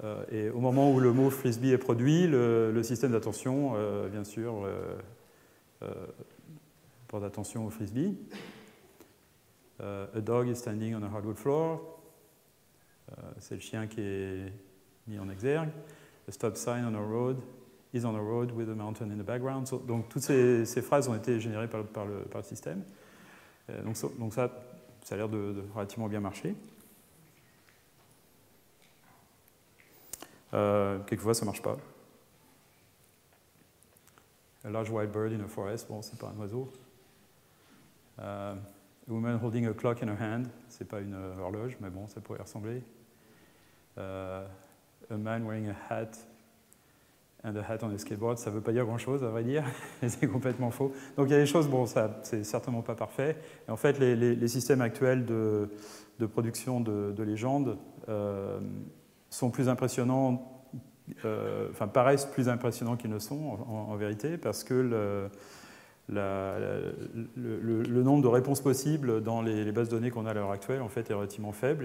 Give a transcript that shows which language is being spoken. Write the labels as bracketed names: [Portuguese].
[French] Et au moment où le mot frisbee est produit, le système d'attention, bien sûr, porte attention au frisbee. [English] A dog is standing on a hardwood floor. [French] C'est le chien qui est mis en exergue. [English] A stop sign on a road is on a road with a mountain in the background. [French] So, donc toutes ces phrases ont été générées par le système. Donc ça. Ça a l'air de relativement bien marcher. Quelquefois, ça ne marche pas. [English] A large white bird in a forest. [French] Bon, ce n'est pas un oiseau. [English] A woman holding a clock in her hand. [French] Ce n'est pas une horloge, mais bon, ça pourrait y ressembler. [English] A man wearing a hat and a hat on a skateboard. [French] Ça ne veut pas dire grand-chose, à vrai dire. C'est complètement faux. Donc il y a des choses, bon, ça, c'est certainement pas parfait. Et en fait, les systèmes actuels de production de légendes sont plus impressionnants, paraissent plus impressionnants qu'ils ne sont, en vérité, parce que le nombre de réponses possibles dans les bases de données qu'on a à l'heure actuelle en fait, est relativement faible.